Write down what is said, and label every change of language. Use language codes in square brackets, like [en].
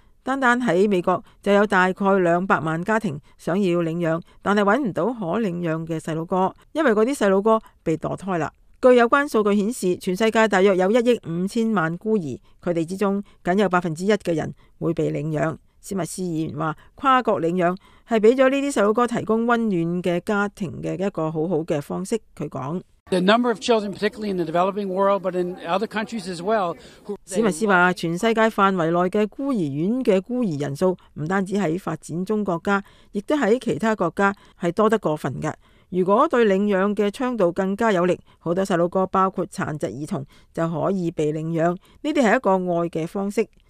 [zh] 单单在美国就有大概200万家庭想要领养，但是找不到可领养的小哥，因为那些小哥被堕胎了。据有关数据显示，全世界大约有1.5亿孤儿，他们之中仅有1%的人会被领养。史密斯议员说，跨国领养是给了这些小哥提供温暖的家庭的一个很好的方式。他说 [en] The number of children, particularly in the developing world, but in other countries as well. [zh] 史密斯说，全世界范围内的孤儿院的孤儿人数不单止在发展中国家，也在其他国家是多得过分的。如果对领养的倡导更加有力，很多小孩包括残疾儿童就可以被领养，这是一个爱的方式。